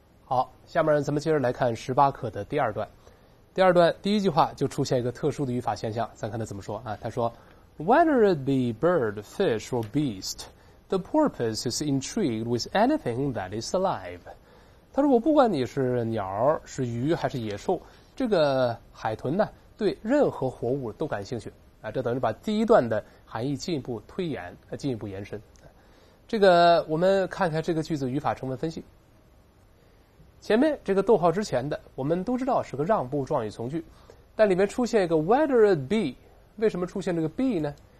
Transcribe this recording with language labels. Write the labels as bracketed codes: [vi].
[zh] 好，下面咱们接着来看十八课的第二段。第二段第一句话就出现一个特殊的语法现象，咱看他怎么说啊？他说 [en] ，Whether it be bird, fish, or beast, the porpoise is intrigued with anything that is alive。 [zh] 他说，我不管你是鸟、是鱼还是野兽，这个海豚呢，对任何活物都感兴趣啊。这等于把第一段的含义进一步推演，进一步延伸。这个我们看看这个句子语法成分分析。前面这个逗号之前的我们都知道是个让步状语从句，但里面出现一个 [en] whether it be， [zh] 为什么出现这个 be 呢？